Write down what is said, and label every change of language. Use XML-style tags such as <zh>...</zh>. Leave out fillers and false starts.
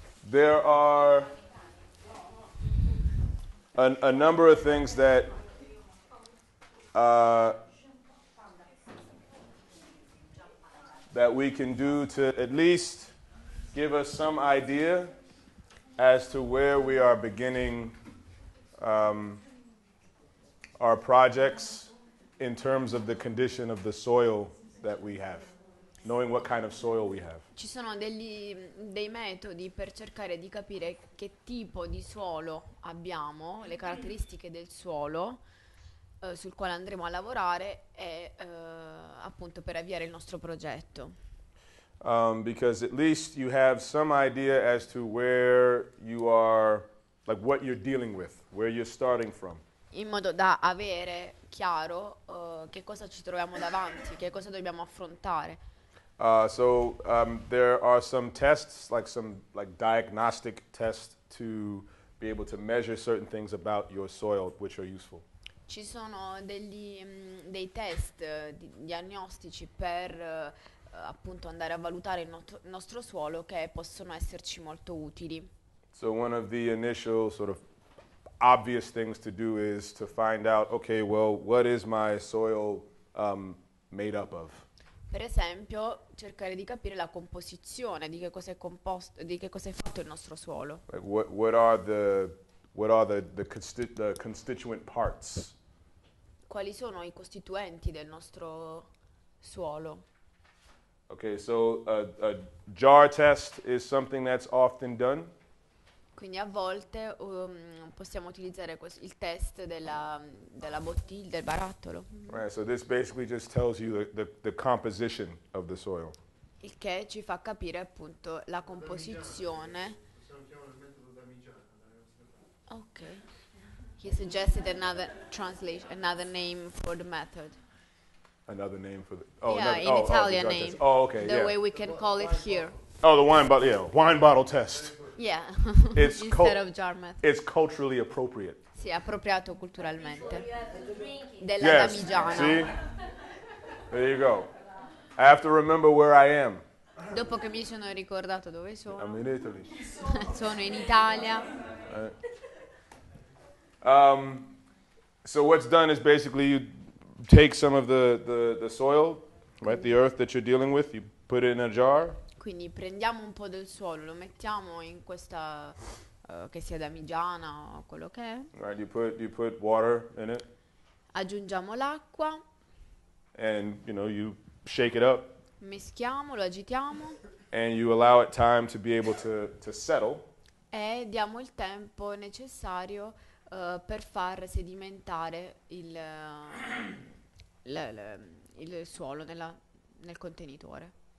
<en>There are a number of things that that we can do to at least give us some idea as to where we are beginning our projects in terms of the condition of the soil that we have, knowing what kind of soil we have.</en> <it>Ci sono dei metodi per cercare di capire che tipo di suolo abbiamo, le caratteristiche del suolo sul quale andremo a lavorare e appunto per avviare il nostro progetto.</it> <en>Because at least you have some idea as to where you are, like what you're dealing with, where you're starting from.</en> <it>In modo da avere chiaro che cosa ci troviamo davanti, che cosa dobbiamo affrontare.</it> <en>So there are some tests, like some like diagnostic tests to be able to measure certain things about your soil, which are useful.</en> <it>Ci sono dei test diagnostici per appunto andare a valutare il nostro suolo che possono esserci molto utili.</it> <en>So one of the initial sort of obvious things to do is to find out, okay, well, what is my soil made up of?</en> <it>Per esempio, cercare di capire la composizione, di che cosa è composto, di che cosa è fatto il nostro suolo.</it> <en>Like what are the constituent parts?</en> <it>Quali sono I costituenti del nostro suolo?</it> <en>Okay, so a jar test is something that's often done.</en> <it>Quindi a volte possiamo utilizzare il test della bottiglia, del barattolo.</it> <en>Right, so this basically just tells you the composition of the soil.</en> <it>Il che ci fa capire appunto la composizione.</it> <en>Okay. He suggested another name for the method. Another name for the Italian name. Test. Oh, okay. The way we can call it here. Oh, the wine bottle. Yeah, wine bottle test. Yeah. It's instead of jar method. It's culturally appropriate.</en> <it>Sì, appropriato culturalmente. Della damigiana.</it> <en>Yes. See. There you go. I have to remember where I am.</en> <it>Dopo che mi sono ricordato dove sono.</it> <en>I'm in Italy.</en> <it>Sono in Italia.</it> <en>So what's done is basically you take some of the soil, right, the earth that you're dealing with, you put it in a jar.</en> <it>Quindi prendiamo un po' del suolo, lo mettiamo in questa che sia damigiana o quello che è.</it> <en>Right, you put water in it.</en> <it>Aggiungiamo l'acqua.</it> <en>And you know, you shake it up.</en> <it>Mischiamo, lo agitiamo.</it> <en>And you allow it time to be able to settle.</en> <it>E diamo il tempo necessario per far sedimentare il suolo nel contenitore.</it>